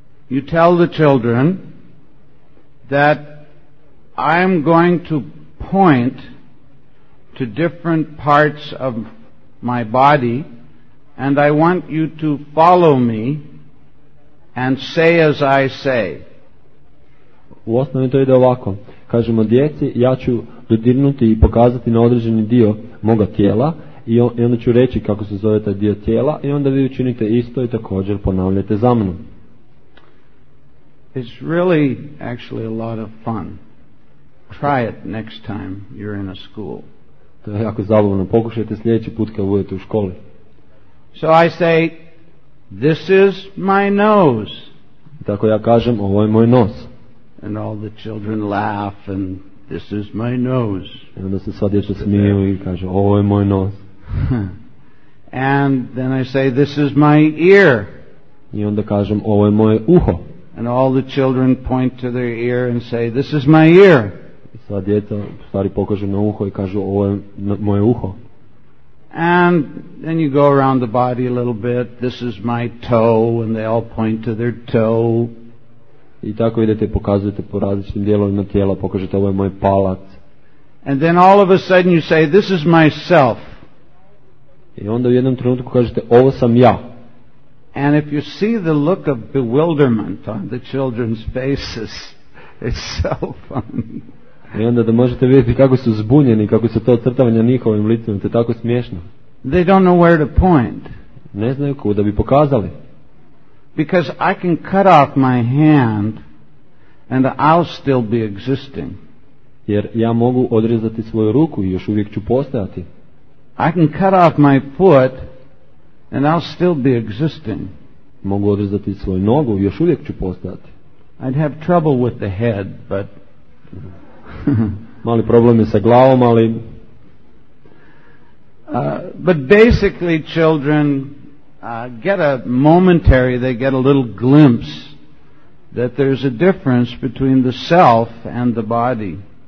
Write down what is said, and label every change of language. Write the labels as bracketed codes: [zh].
[en] You tell the children that I'm going to point to different parts of my body, and I want you to follow me and say as I say. [hr] U osnovi to ide ovako. Kažemo djeci, ja ću dodirnuti i pokazati na određeni dio moga tijela i onda ću reći kako se zove taj dio tijela i onda vi učinite isto i također ponavljate za mnom. [en] It's really actually a lot of fun. Try it next time you're in a school. [hr] To je jako zabavno. Pokušajte sljedeći put kad budete u školi. [en] So I say, this is my nose. [hr] Tako ja kažem, ovo je moj nos. [en] And all the children laugh, and this is my nose. [hr] I onda se sva djeca smiju i kaže, ovo je moj nos. [en] And then I say, this is my ear. [hr] I onda kažem, ovo je moje uho. [en] And all the children point to their ear and say, this is my ear. [hr] I sva djeca stari pokažu na uho i kažu, ovo je moje uho. [en] And then you go around the body a little bit, this is my toe, and they all point to their toe. [hr] I tako idete, pokazujete po različitim dijelovima tijela, pokažete ovo je moj palac. [en] And then all of a sudden you say, this is myself. [hr] I onda u jednom trenutku kažete, ovo sam ja. [en] And if you see the look of bewilderment on the children's faces, it's so funny. [hr] I onda da možete vidjeti kako su zbunjeni, kako se to crtavanje njihovim licima, to je tako smiješno. [en] They don't know where to point. [hr] Ne znaju kuda bi pokazali. [en] Because I can cut off my hand and I'll still be existing. [hr] Jer ja mogu odrezati svoju ruku i još uvijek ću postojati. [en] I can cut off my foot and I'll still be existing. [hr] Mogu odrezati svoju nogu i još uvijek ću postojati. [en] I'd have trouble with the head, but [hr] mali problem je sa glavom, ali [en] but basically children get a momentary, they get a little glimpse that there's a difference between the self and the body.